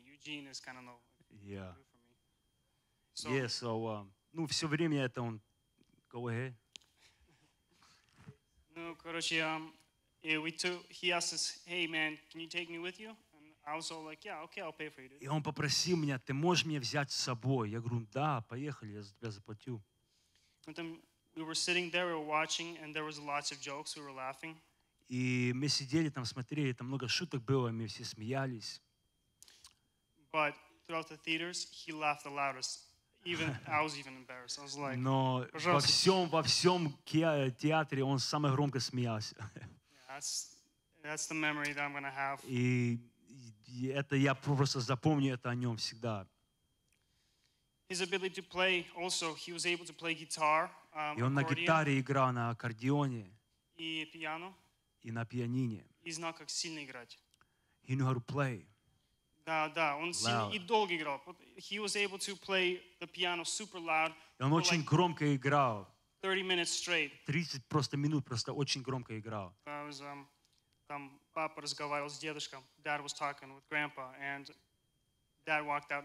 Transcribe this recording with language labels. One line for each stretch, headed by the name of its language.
English: Eugene is kind of normal. Yeah. So, yeah, so,
Russian: ну, все время это он...
English: Go ahead.
Russian: Ну, короче,
English: he asked us, hey, man, can you take me with you? I was all like, yeah, okay, I'll pay for you.
Russian: И он попросил меня, ты можешь меня взять с собой? Я говорю, да, поехали, я за тебя заплатю.
English: And then we were sitting there, we were watching, and there was lots of jokes, we were laughing.
Russian: И мы сидели там, смотрели, там много шуток было, мы все смеялись.
English: But throughout the theaters, he laughed the loudest. Even I was even embarrassed. I was like,
Russian: Но во всем театре он самый громко смеялся.
English: Yeah, That's the memory that I'm going to have.
Russian: И это я просто запомню это о нем всегда.
English: His ability to play also, he was able to play guitar.
Russian: И он на гитаре играл, на аккордеоне. И пиано. И на пианине. И знал, как сильно играть.
English: He knew how to play.
Russian: Да, да, он сильно и долго играл.
English: He was able to play the piano super loud.
Russian: И он очень like громко играл.
English: 30 minutes straight.
Russian: 30 просто минут просто очень громко играл.
English: That was,
Russian: там папа разговаривал с дедушком.
English: Dad was talking with grandpa, and dad walked out.